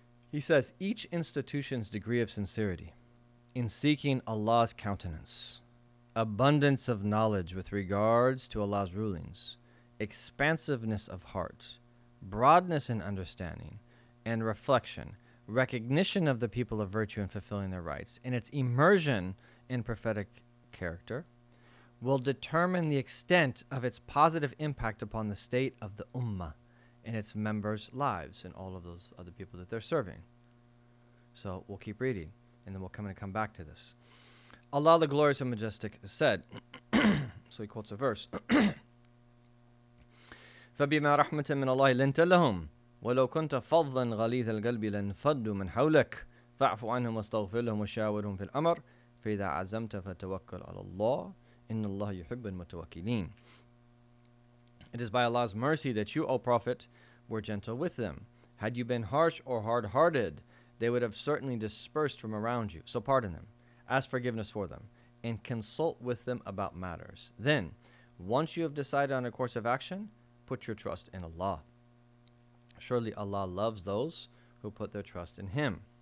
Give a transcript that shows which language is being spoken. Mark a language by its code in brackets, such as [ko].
[en] He says, each institution's degree of sincerity in seeking Allah's countenance, abundance of knowledge with regards to Allah's rulings, expansiveness of heart, broadness in understanding and reflection, recognition of the people of virtue and fulfilling their rights, and its immersion in prophetic character will determine the extent of its positive impact upon the state of the ummah and its members' lives and all of those other people that they're serving. So we'll keep reading, and then we'll come back to this. Allah the Glorious and Majestic said, so he quotes a verse, [ar] فَبِمَا رَحْمَةً مِنَ اللَّهِ لِنْتَ لَهُمْ وَلَوْ كُنْتَ فَضًّا غَلِيظَ الْقَلْبِ لَنْفَضُّوا مِنْ حَوْلَكَ فَاعْفُ عَنْهُمْ وَاسْتَغْفِرْ لَهُمْ وَشَاوِرْهُمْ فِي الْأَمَرِ فَإِذَا عَزَمْتَ فَتَوَكَّلْ عَلَى اللَّهِ إِنَّ اللَّهَ يُحِبُّ الْمُتَوَكِّلِينَ. [en] It is by Allah's mercy that you, O Prophet, were gentle with them. Had you been harsh or hard-hearted, they would have certainly dispersed from around you. So pardon them, ask forgiveness for them, and consult with them about matters. Then, once you have decided on a course of action, put your trust in Allah. Surely Allah loves those who put their trust in Him.